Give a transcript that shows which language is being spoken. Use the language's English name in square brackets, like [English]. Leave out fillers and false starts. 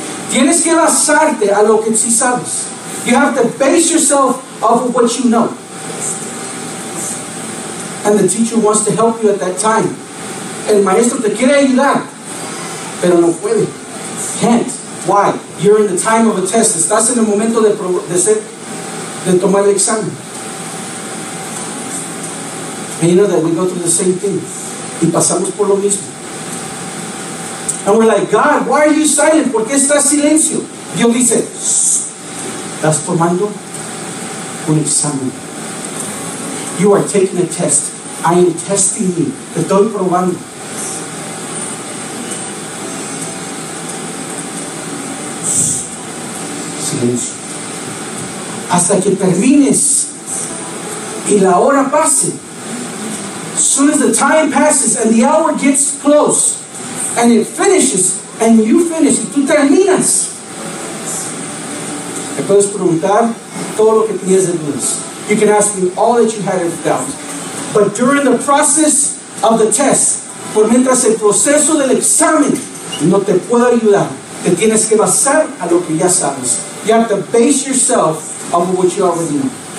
[Spanish] Tienes que basarte a lo que sí sabes. [English] You have to base yourself off of what you know. And the teacher wants to help you at that time. [Spanish] El maestro te quiere ayudar, pero no puede. [English] Can't. Why? You're in the time of a test. [Spanish] Estás en el momento de tomar el examen. [English] And you know that we go through the same thing. [Spanish] Y pasamos por lo mismo. [English] And we're like, God, why are you silent? [Spanish] ¿Por qué estás silencio? Dios dice, estás tomando un examen. [English] You are taking a test. I am testing you. [Spanish] Te estoy probando. Silencio. Hasta que termines y la hora pase. [English] Soon as the time passes and the hour gets close and it finishes and you finish, [Spanish] y tú terminas. Me puedes preguntar todo lo que tenías de dudas. [English] You can ask me all that you had of doubt. But during the process of the test, [Spanish] por mientras el proceso del examen, no te puedo ayudar. Te tienes que basar a lo que ya sabes. [English] You have to base yourself on what you already know.